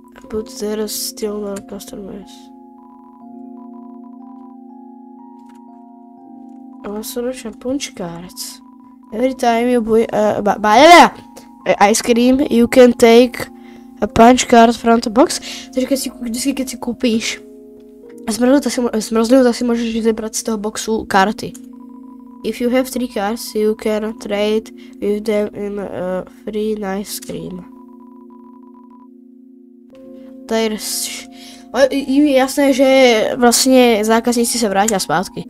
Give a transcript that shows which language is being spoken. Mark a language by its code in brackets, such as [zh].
[en] But there is still no customers. I want to search and punch cards. Every time you buy ice cream, you can take a punch card from the box. [cs] Takže když si koupíš zmrzlinu, tak si můžeš vybrat z toho boxu karty. [en] If you have 3 cards, you can trade with them in a free ice cream. [cs] Tady je jasné, že vlastně zákazníci se vrátí zpátky.